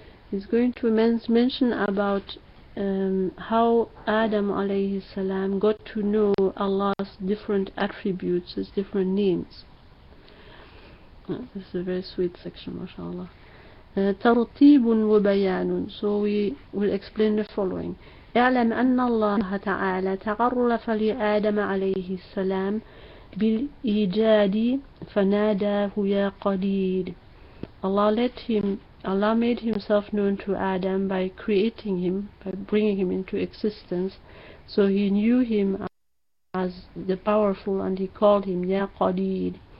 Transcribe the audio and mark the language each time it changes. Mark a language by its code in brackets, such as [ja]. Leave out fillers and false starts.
[en] He's going to mention about how Adam alayhi salam got to know Allah's different attributes, his different names. This is a very sweet section, mashallah. [ar] ترتيب وبيان. [en] So we will explain the following. [ar] اعلم أن الله تعالى تعرف لآدم عليه السلام بالإيجاد فناداه يا قدير. [en] Allah made himself known to Adam by creating him, by bringing him into existence. So he knew him as the powerful and he called him يا قدير.